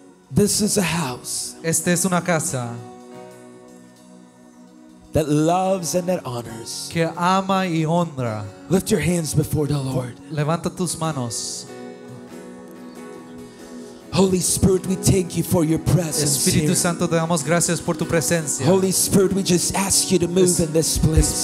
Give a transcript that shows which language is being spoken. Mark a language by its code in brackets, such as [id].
[en] This is a house. [es] Esta es una casa. [en] That loves and that honors. [es] Que ama y honra. [en] Lift your hands before the Lord. [es] Levanta tus manos. [en] Holy Spirit, we thank you for your presence. [es] Espíritu Santo, te damos gracias por tu presencia. [en] Holy Spirit, we just ask you to move in this place.